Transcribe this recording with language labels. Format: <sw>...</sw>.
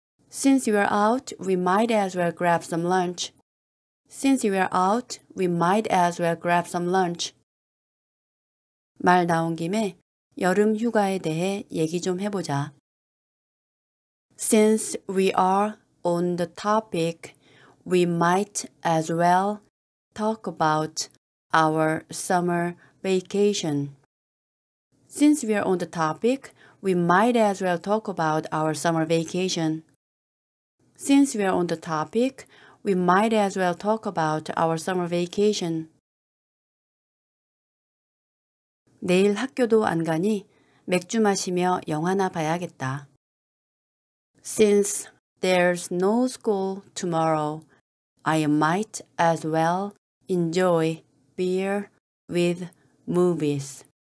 <en>Since you are out, we might as well grab some lunch. Since you are out, we might as well grab some lunch.</en> <ko>말 나온 김에 여름 휴가에 대해 얘기 좀 해보자.</ko> <en>Since we are on the topic, we might as well talk about our summer vacation. Since we are on the topic, we might as well talk about our summer vacation. Since we are on the topic, we might as well talk about our summer vacation.</en> <ko>내일 학교도 안 가니 맥주 마시며 영화나 봐야겠다.</ko> <en>Since there's no school tomorrow, I might as well enjoy beer with movies.</en>